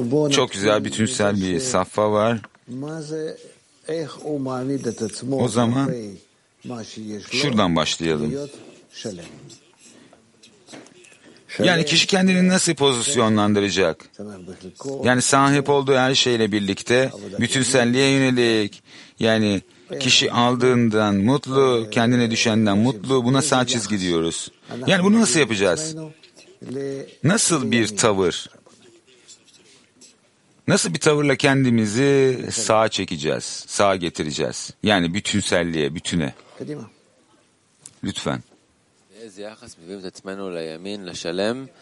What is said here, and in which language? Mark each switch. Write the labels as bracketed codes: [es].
[tr] Çok güzel, bütünsel bir safha var. [he] מה זה, איך הוא מעמיד את עצמו? [tr] O zaman, şuradan başlayalım. שלם. Yani kişi kendini nasıl pozisyonlandıracak? Yani sahip olduğu her şeyle birlikte bütünselliğe yönelik. Yani kişi aldığından mutlu, kendine düşenden mutlu. Buna sağ çizgi diyoruz. Yani bunu nasıl yapacağız? Nasıl bir tavır? Nasıl bir tavırla kendimizi sağa çekeceğiz, sağa getireceğiz? Yani bütünselliğe, bütüne. Lütfen. [he] איזה יחס מביאים את עצמנו לימין, לשלם,